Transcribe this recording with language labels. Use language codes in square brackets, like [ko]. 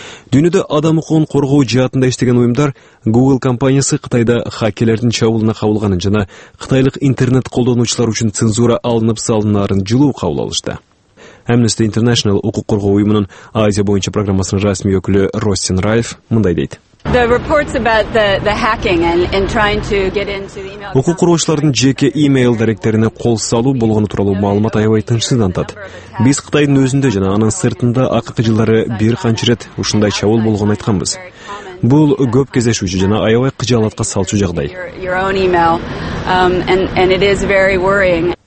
[ky] Дүйнөдө адам укугун коргоо жаатында иштеген уюмдар Google компаниясы Кытайда хакерлердин чабуулуна кабылганын жана кытайлык интернет колдонуучулар үчүн цензура алынып салынаарын жылуу кабыл алышты. Amnesty International укук коргоо уюмунун Азия боюнча программасынын расмий өкүлү Ростин Райф мындай дейт. [en] The reports about the hacking and trying to get into the email. [ky] Укук коргоочулардын жеке email даректерине кол салуу болгону тууралуу маалымат аябай тынчсыздантат. Биз Кытайдын өзүндө жана анын сыртында акыркы жылдары бир канча ирет ушундай чабуул болгонун айтканбыз. Бул көп кездешүүчү жана аябай кыжаалатка салчу жагдай. [en] And it is very worrying.